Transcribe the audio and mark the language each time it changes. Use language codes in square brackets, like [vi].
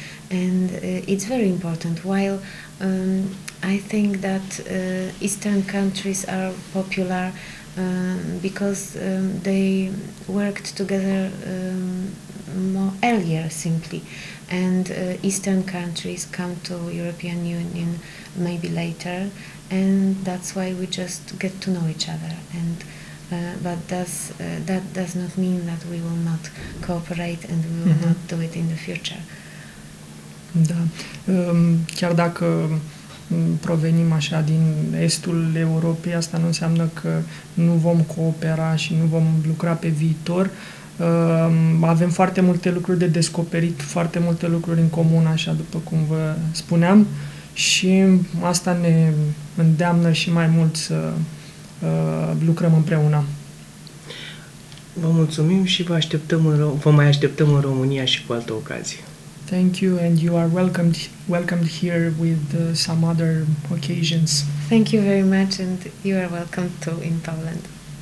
[en] And it's very important. While I think that Eastern countries are popular because they worked together more earlier simply, and Eastern countries come to European Union maybe later, and that's why we just get to know each other. And but that does not mean that we will not cooperate and we will not do it in the future. [ro] Da. Chiar dacă provenim așa din estul Europei, asta nu înseamnă că nu vom coopera și nu vom lucra pe viitor. Avem foarte multe lucruri de descoperit, foarte multe lucruri în comun, așa după cum vă spuneam, și asta ne îndeamnă și mai mult să lucrăm împreună. Vă mulțumim și vă mai așteptăm în România și cu altă ocazie. [en] Thank you, and you are welcomed here with some other occasions. Thank you very much, and you are welcome too in Poland.